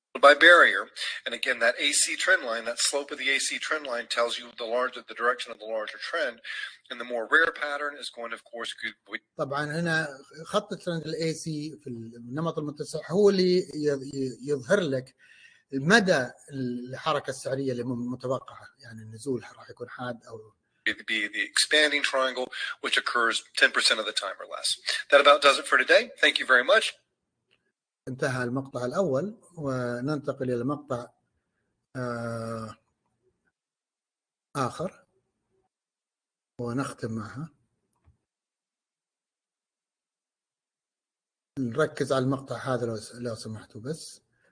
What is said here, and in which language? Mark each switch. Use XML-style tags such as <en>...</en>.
<en>By barrier, and again, that AC trend line, that slope of the AC trend line tells you the direction of the larger trend, and the more rare pattern is going, of course, good.</en> <ar>طبعاً هنا خط الترند الـ AC في النمط المتسع هو اللي يظهر لك مدى الحركة السعرية اللي متوقعة، يعني النزول راح يكون حاد أو.</ar> <en>Be the expanding triangle, which occurs 10% of the time or less. That about does it for today. Thank you very much.</en> <ar>انتهى المقطع الأول وننتقل إلى مقطع آخر ونختم معها. نركز على المقطع هذا لو سمحتوا بس.</ar>